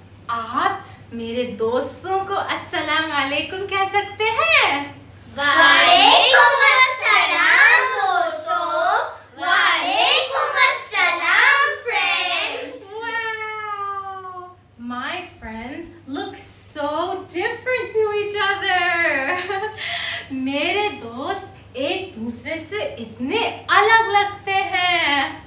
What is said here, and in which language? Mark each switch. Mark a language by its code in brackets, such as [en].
[hi] आप मेरे दोस्तों को अस्सलाम वालेकुम कह सकते हैं? वालेकुम अस्सलाम दोस्तों. वालेकुम अस्सलाम friends. [en] Wow. My friends look so different to each other. [hi] मेरे दोस्त एक दूसरे से इतने अलग लगते हैं.